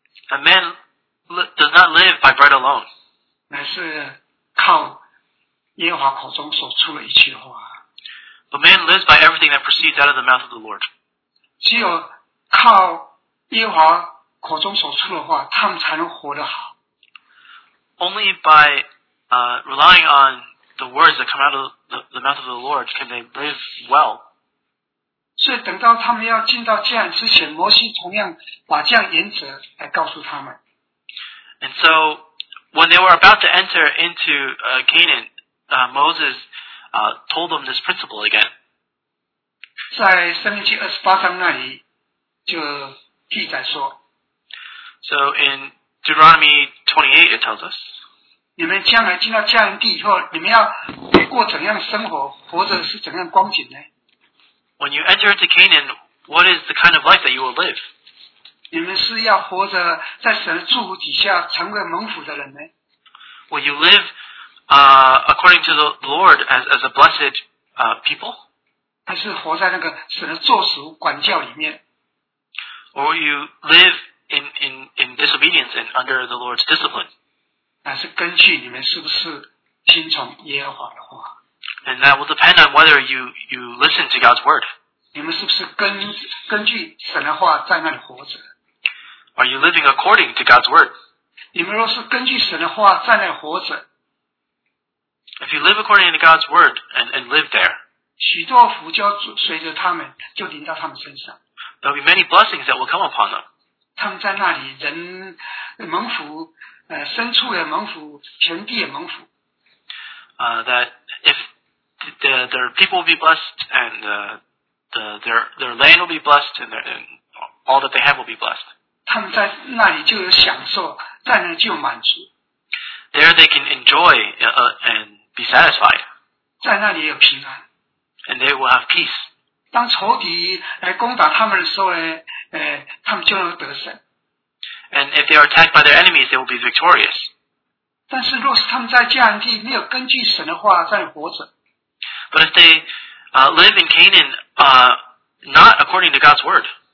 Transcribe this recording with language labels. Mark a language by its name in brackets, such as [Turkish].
[English] A man does not live by bread alone. [Chinese] 乃是靠耶和华口中所出的一切话。 [English] A man lives by everything that proceeds out of the mouth of the Lord. [Chinese] 只有靠耶和华口中所出的话，他们才能活得好。 [English] Only by relying on the words that come out of the mouth of the Lord can they live well. [Chinese] 所以等到他们要进到迦南之前，摩西同样把这样原则来告诉他们。 [English] And so when they were about to enter into Canaan, Moses told them this principle again. [Chinese] 在申命记二十八章那里就记载说。 [English] So in Deuteronomy 28, it tells us. [Chinese] 你们将来进到迦南地以后，你们要过怎样生活，活着是怎样光景呢？ [English] When you enter into Canaan, What is the kind of life that you will live? [Chinese] 你们是要活着在神的祝福底下成为蒙福的人呢？ [English] Will you live according to the Lord as a blessed people? [Chinese] 还是活在那个神的咒诅管教里面？ [English] Or will you live in disobedience and under the Lord's discipline? [Chinese] 还是根据你们是不是听从耶和华的话？ [English] And that will depend on whether you listen to God's word. [Chinese] 你们是不是根据神的话在那里活着？ [English] Are you living according to God's word? [Chinese] 你们若是根据神的话在那里活着， [English] If you live according to God's word and live there, [Chinese] 许多福就随着他们就临到他们身上。 [English] There will be many blessings that will come upon them. [Chinese] 他们在那里人蒙福，牲畜也蒙福，全地也蒙福。 [English] That if their people will be blessed and their land will be blessed and all that they have will be blessed. [Chinese] 他们在那里就有享受，在那里就有满足。 [English] There they can enjoy and be satisfied. [Chinese] 在那里也有平安。 [English] And they will have peace. [Chinese] 当仇敌来攻打他们的时候呢，他们就能得胜。 [English] And if they are attacked by their enemies, they will be victorious. [Chinese] 但是若是他们在迦南地没有根据神的话在活着。 [English] But if they live in Canaan not according to God's word,